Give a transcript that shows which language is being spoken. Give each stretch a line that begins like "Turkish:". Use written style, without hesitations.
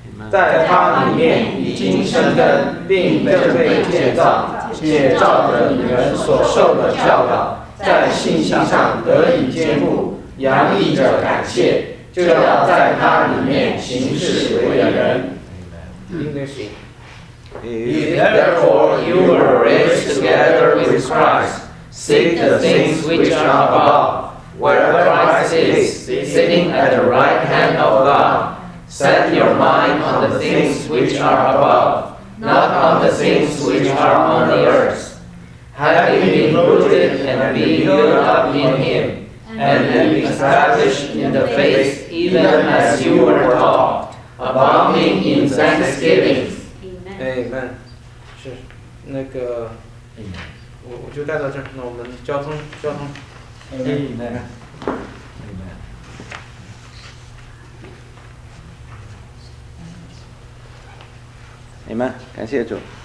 Chinese: 在他里面已经生根，并正被建造，且照着你们所受的教导，在信心上得以坚固，洋溢着感谢。就要在他里面行事为人。
English: If therefore you were raised together with Christ, seek the things which are above, where Christ is, sitting at the right hand of God. Set your mind on the things which are above, not on the things which are on the earth. Having been rooted and being built up in Him, and then established in the faith, even as you were taught, abounding in thanksgiving. Amen.
Chinese: 是那个，我就带到这儿。那我们交通。 Amen. 那个。 Amen. Amen. 感谢主。